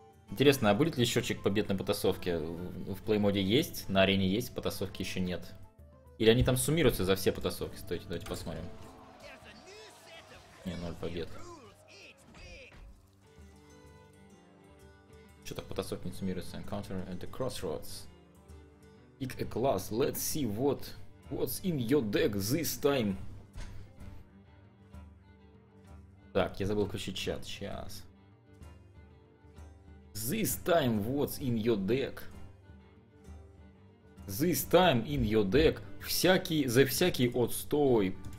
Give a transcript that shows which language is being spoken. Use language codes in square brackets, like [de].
[ru] Интересно, а будет ли счетчик побед на потасовке? В плеймоде есть, на арене есть, потасовки еще нет. Или они там суммируются за все потасовки? Стойте, давайте посмотрим. Не, ноль побед. Что-то потасовки не суммируются. [en] Encounter at the crossroads. Pick a class, let's see what... What's in your deck this time? [ru] Так, я забыл включить чат, сейчас. [en] This time what's in your deck? This time in your deck [ru] всякий, за всякий отстой.